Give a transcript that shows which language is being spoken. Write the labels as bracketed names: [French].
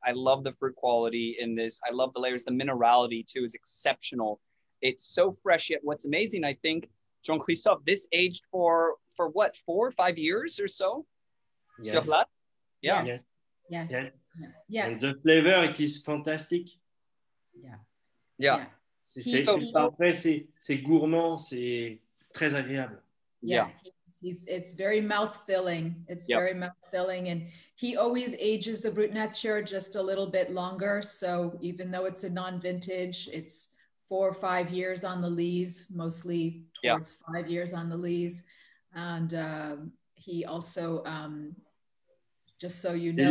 [English] I love the fruit quality in this. I love the layers. The minerality too is exceptional. It's so fresh, yet what's amazing, I think, Jean-Christophe, this aged for what, 4 or 5 years or so? Yes. [French] Sur place? [English] Yes. Yes. Yes. Yes. Yeah. And the flavor, it is fantastic. Yeah. Yeah. [French] C'est parfait, c'est gourmand, c'est très agréable. [English] Yeah. It's very mouth-filling. It's very mouth-filling. And he always ages the Brut Nature just a little bit longer. So even though it's a non-vintage, it's 4 or 5 years on the lees, mostly towards 5 years on the lees. And he also, just so you know.